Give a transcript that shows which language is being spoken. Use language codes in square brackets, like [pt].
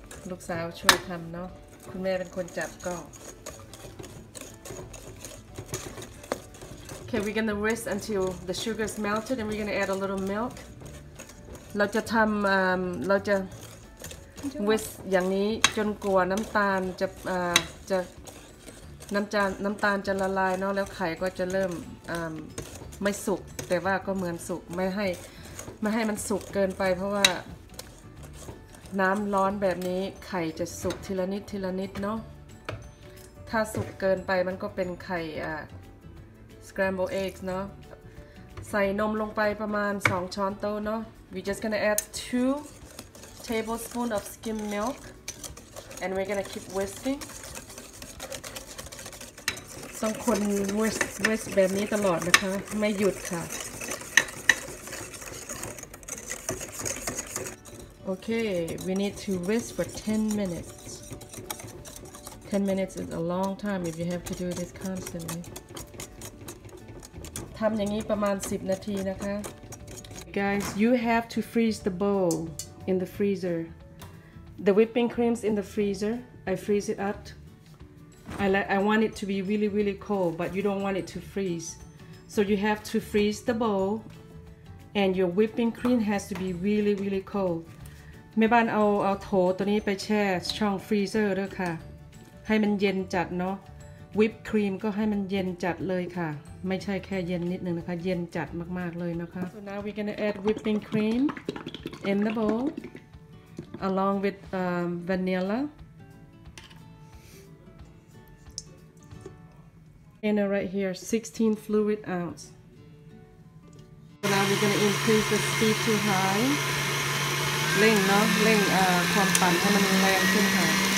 [th] ลูกสาวช่วยทำเนาะคุณแม่เป็นคนจับก็ [en] Okay, we're gonna rest until the sugar is melted, and we're gonna add a little milk. [th] เราจะทำเราจะเวสอย่างนี้จนกว่าน้ำตาลจะจะน้ำจานน้ำตาลจะละลายเนาะแล้วไข่ก็จะเริ่มไม่สุกแต่ว่าก็เหมือนสุกไม่ให้มันสุกเกินไปเพราะว่า น้ำร้อนแบบนี้ไข่จะสุกทีละนิดทีละนิดเนาะถ้าสุกเกินไปมันก็เป็นไข่scrambled eggs เนาะใส่นมลงไปประมาณ2ช้อนโต๊ะเนาะ [en] We're just gonna add 2 tablespoons of skim milk and we're gonna keep whisking [th] ต้องคนเวสแบบนี้ตลอดนะคะไม่หยุดค่ะ [en] Okay, we need to whisk for 10 minutes. 10 minutes is a long time if you have to do this constantly. [th] ทำอย่างนี้ประมาณ10นาทีนะคะ [en] Guys, you have to freeze the bowl in the freezer. The whipping cream's in the freezer. I freeze it up. I want it to be really, really cold, but you don't want it to freeze. So you have to freeze the bowl, and your whipping cream has to be really, really cold. [th] แม่บ้านเอาโถตัวนี้ไปแช่ช่องฟรีเซอร์ด้วยค่ะให้มันเย็นจัดเนาะวิปครีมก็ให้มันเย็นจัดเลยค่ะไม่ใช่แค่เย็นนิดนึงนะคะเย็นจัดมากๆเลยนะคะ [en] So now we're gonna add whipping cream in the bowl along with vanilla in it right here 16 fluid ounce So now we're gonna increase the speed to high [th] เร่งเนาะเร่งความปั่นให้มันแรงขึ้นค่ะ